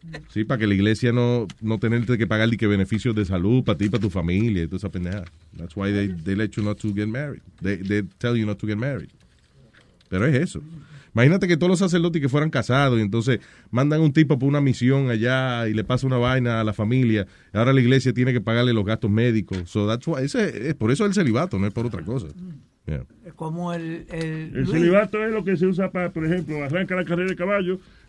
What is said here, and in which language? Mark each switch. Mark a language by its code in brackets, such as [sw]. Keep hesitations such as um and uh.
[es] Sí, para que la iglesia no, no tenga que pagar ni que beneficios de salud para ti, para tu familia, y toda esa pendeja. [en] That's why they, they, let you not to get married. They, they, tell you not to get married. [es] Pero es eso. Imagínate que todos los sacerdotes que fueran casados y entonces mandan un tipo por una misión allá y le pasa una vaina a la familia. Ahora la iglesia tiene que pagarle los gastos médicos. [en] So that's why, [es] ese, es, por eso es el celibato, no es por otra cosa. Yeah. Como el. El, el silbato es lo que se usa para, por ejemplo, arranca la carrera de caballo.